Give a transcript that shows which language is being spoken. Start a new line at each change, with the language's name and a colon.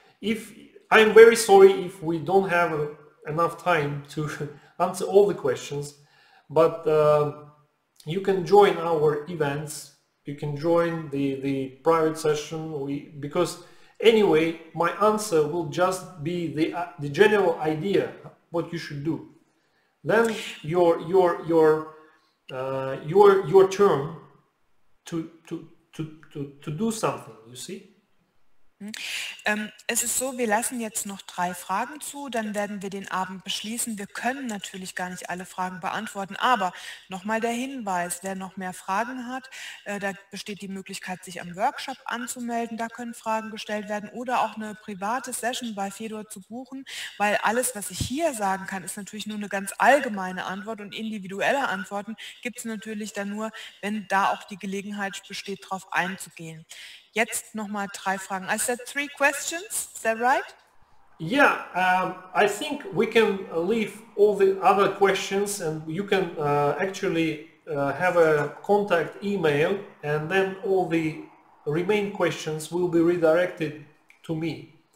English: If I'm very sorry if we don't have enough time to answer all the questions, but you can join our events, you can join the private session, because anyway my answer will just be the general idea what you should do. Then your turn to do something, you see.
German: Es ist so, wir lassen jetzt noch drei Fragen zu, dann werden wir den Abend beschließen. Wir können natürlich gar nicht alle Fragen beantworten, aber nochmal der Hinweis, wer noch mehr Fragen hat, da besteht die Möglichkeit, sich am Workshop anzumelden, da können Fragen gestellt werden oder auch eine private Session bei Fedor zu buchen, weil alles, was ich hier sagen kann, ist natürlich nur eine ganz allgemeine Antwort und individuelle Antworten gibt es natürlich dann nur, wenn da auch die Gelegenheit besteht, darauf einzugehen. Jetzt nochmal drei Fragen.
English: I said three questions, is that right? Yeah, I think we can leave all the other questions and you can actually have a contact email and then all the remaining questions will be redirected to me.